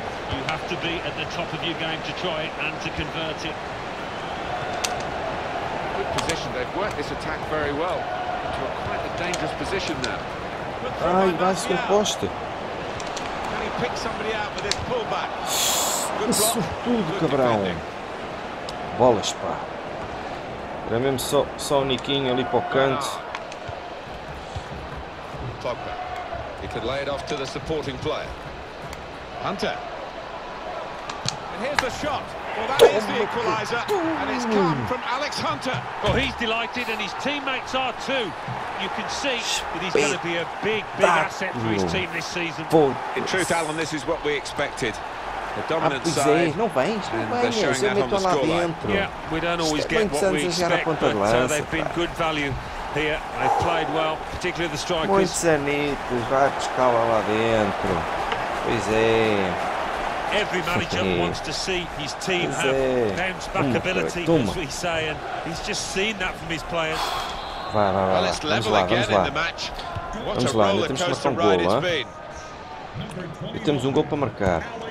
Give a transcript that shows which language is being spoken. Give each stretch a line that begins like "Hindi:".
English: You have to be at the top of your game to try it and to convert it. Good position. They've worked this attack very well. Into a quite a dangerous position there.
Portuguese: Ah, nice composto.
English: Can he pick somebody out with this pullback? Good block.
Portuguese: Sobretudo, cabrão. Bolas, pá. Era mesmo só o Niquinho ali para o canto.
English: Pogba. He could lay it off to the supporting player. Hunter. Here's the shot. Well, that is the equaliser, and it's come from Alex Hunter. Well, he's delighted, and his teammates are too. You can see that he's going to be a big, big asset for his team this season. In truth, Alan, this is what we expected. A dominant side.
Portuguese: Não vem, não vem. Eu estou lá dentro.
English: Yeah, we don't always get what we expect, but they've been good value here. They've played well, particularly the strikers.
Portuguese: Muitos anitos, vai buscar lá dentro. Pois é.
English: Every manager wants to see his team have bounce back ability, as we say, and he's just seen that from his players.
Portuguese: Vai.
English: Well, it's level again in the match.
Portuguese: Vamos lá, ainda temos que marcar um gol, e temos um gol para marcar.